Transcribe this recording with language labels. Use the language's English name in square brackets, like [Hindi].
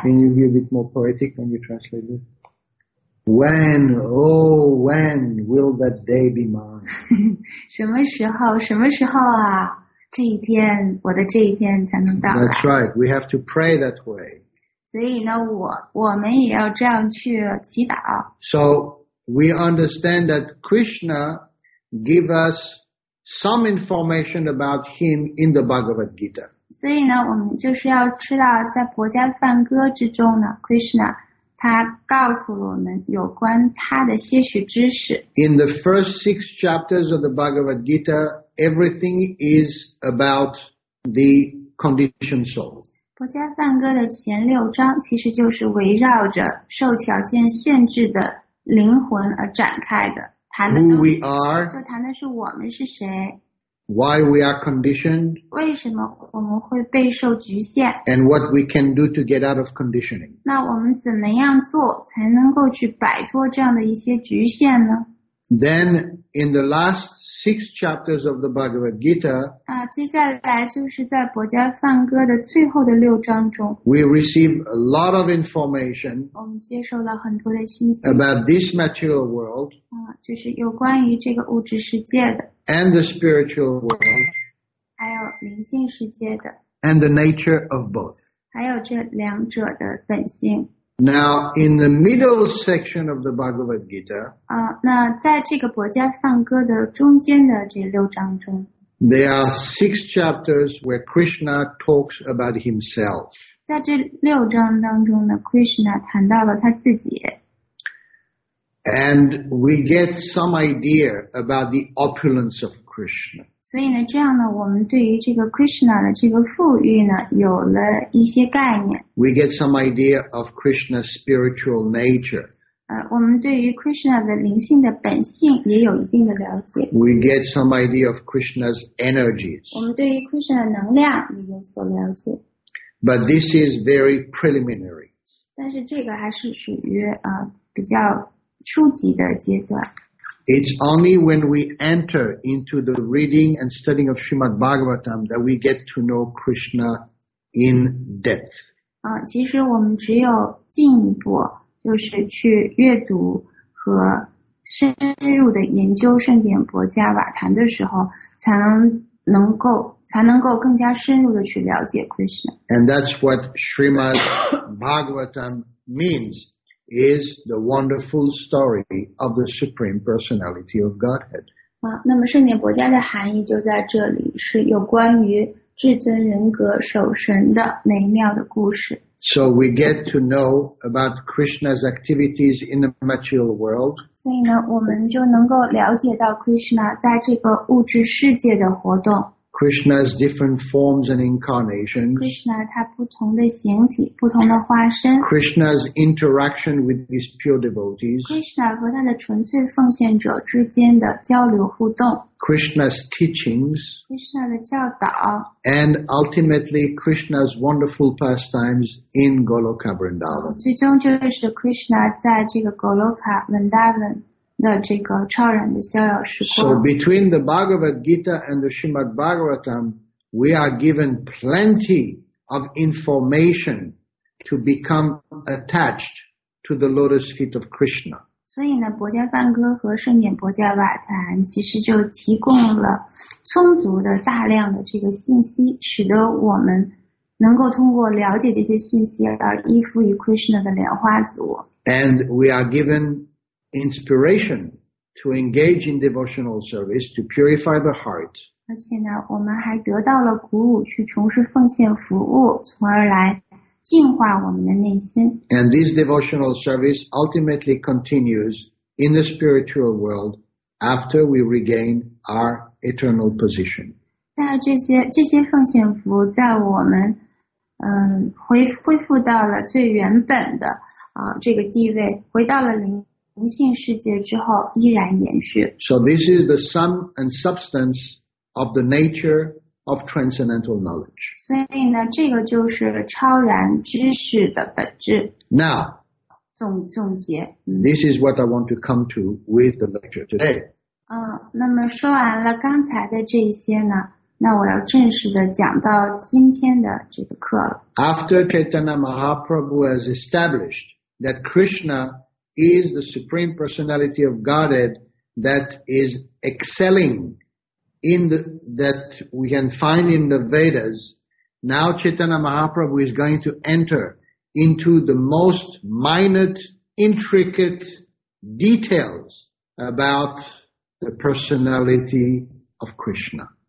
[English] Can you be a bit more poetic when you translate this? When, oh, when will that day be mine? [Chinese] 什么时候，什么时候啊？这一天，我的这一天才能到 [English] That's [Chinese] 来。 [English] right. We have to pray that way. [Chinese] 所以呢，我们也要这样去祈祷。 [English] So we understand that Krishna gives us some information about him in the Bhagavad Gita. [Chinese] 所以呢，我们就是要知道，在婆家梵歌之中呢，Krishna 他告诉了我们有关他的些许知识。 [English] In the first six chapters of the Bhagavad Gita, everything is about the conditioned soul. [Chinese] 婆伽梵歌的前六章其实就是围绕着受条件限制的灵魂而展开的， [English] Who we are, [Chinese] 就谈的是我们是谁， [English] why we are conditioned, [Chinese] 为什么我们会被受局限， [English] and what we can do to get out of conditioning. [Chinese] 那我们怎么样做才能够去摆脱这样的一些局限呢？ [English] Then, in the last six chapters of the Bhagavad Gita, [Chinese] 接下来就是在婆伽梵歌的最后的六章中， [English] we receive a lot of information [Chinese] 我们接受了很多的信息。 [English] about this material world, [Chinese] 就是有关于这个物质世界的。 [English] and the spiritual world, [Chinese] 还有灵性世界的, [English] and the nature of both. [Chinese] 还有这两者的本性。 [English] Now, in the middle section of the Bhagavad Gita, [Chinese] 那在这个博迦梵歌的中间的这六章中, [English] there are six chapters where Krishna talks about himself. [Chinese] 在这六章当中呢, Krishna 谈到了他自己。 [English] And we get some idea about the opulence of Krishna. [Chinese] 所以呢，这样呢，我们对于这个 Krishna 的这个富裕呢，有了一些概念。 [English] We get some idea of Krishna's spiritual nature. [Chinese] 我们对于 Krishna 的灵性的本性也有一定的了解。 [English] We get some idea of Krishna's energies. [Chinese] 我们对于 Krishna 的能量也有所了解。 [English] But this is very preliminary. [Chinese] 但是这个还是属于比较。初级的阶段。 [English] It's only when we enter into the reading and studying of Srimad Bhagavatam that we get to know Krishna in depth. [Chinese] 其实我们只有进一步，就是去阅读和深入的研究圣典博迦瓦坛的时候，才能够更加深入的去了解 Krishna. [English] And that's what Srimad Bhagavatam means. Is the wonderful story of the Supreme Personality of Godhead. [Chinese] 那么圣典博迦的含义就在这里，是有关于至尊人格首神的美妙的故事。 [English] So we get to know about Krishna's activities in the material world. [Chinese] 所以呢，我们就能够了解到 Krishna 在这个物质世界的活动。 [English] Krishna's different forms and incarnations. [Chinese] Krishna 他不同的形体，不同的化身。 [English] Krishna's interaction with these pure devotees. [Chinese] Krishna 和他的纯粹奉献者之间的交流互动。 [English] Krishna's teachings. [Chinese] Krishna 的教导。 [English] And ultimately Krishna's wonderful pastimes in Goloka Vrindavan. [Chinese] 最终就是 Krishna 在这个 Goloka Vrindavan。的这个超然的逍遥时光。 [English] So between the Bhagavad Gita and the Srimad Bhagavatam, we are given plenty of information to become attached to the lotus feet of Krishna. [Chinese] 所以呢，博迦梵歌和圣典博迦瓦坛其实就提供了充足的大量的这个信息，使得我们能够通过了解这些信息而依附于 Krishna 的莲花足。 [English] And we are given inspiration to engage in devotional service to purify the heart. [Chinese] 而且呢，我们还得到了鼓舞去从事奉献服务，从而来净化我们的内心。 [English] And this devotional service ultimately continues in the spiritual world after we regain our eternal position. [Chinese] 那这些奉献服务在我们恢复到了最原本的这个地位，回到了灵。灵性世界之后依然延续。 [English] So this is the sum and substance of the nature of transcendental knowledge. [Chinese] 所以呢，这个就是超然知识的本质。 [English] Now, [Chinese] 总结。 [English] This is what I want to come to with the lecture today. [Chinese] 那么说完了刚才的这些呢，那我要正式的讲到今天的这个课了。 [English] After Chaitanya Mahaprabhu has established that Krishna is the Supreme Personality of Godhead that is excelling in that we can find in the Vedas. Now Chaitanya Mahaprabhu is going to enter into the most minute, intricate details about the personality of Krishna.